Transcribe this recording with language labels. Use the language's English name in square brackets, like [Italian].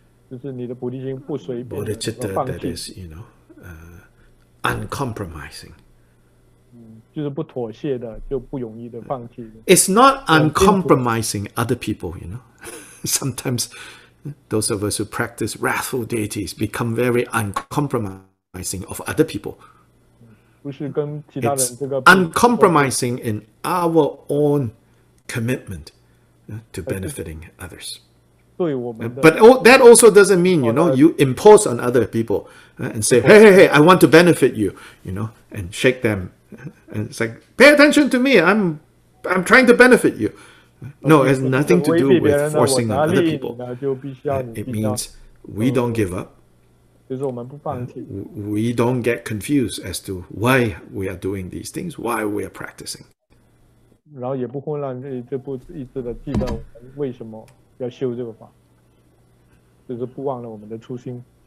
[Chinese] 就是你的菩提心不随便放弃。 [English] Bodhicitta that is, you know, uncompromising. [Chinese] 就是不妥协的，就不容易的放弃。 [English] It's not uncompromising other people, you know. Sometimes those of us who practice wrathful deities become very uncompromising of other people. It's uncompromising in our own commitment to benefiting others. But that also doesn't mean, you know, you impose on other people and say, hey, hey, hey, I want to benefit you, you know, and shake them. And it's like, pay attention to me. I'm trying to benefit you. No, it has nothing to do with forcing on other people. It means we don't give up. [Chinese] 就是我们不放弃。 [English] We don't get confused as to why we are doing these things, why we are practicing. [Chinese] 然后也不混乱这部意志的记得为什么要修这个法，就是不忘了我们的初心。